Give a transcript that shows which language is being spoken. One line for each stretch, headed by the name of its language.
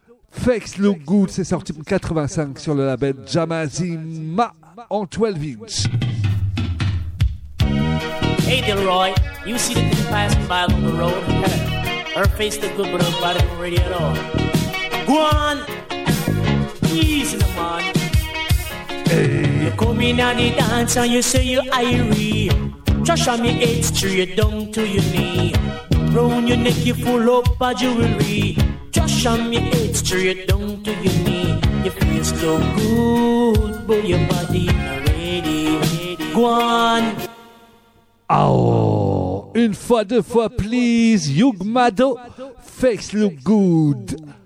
French: Fex Look Good, c'est sorti en 85 sur le label Jamazima en 12 inch.
English: Hey Delroy, you see the thing passing by on the road? Her face look good, but her body not ready at all. Go on, easy in the mind. Hey. You come in on the dance and you say you're Irie. Trash on your head straight down to your knee. Round your neck you full up of jewelry. Trash on your head straight down to your knee. Your face look good, but your body not ready. Go on.
French: Oh, une fois, deux fois,
English: please,
French: Yug Mado, Face Look Good.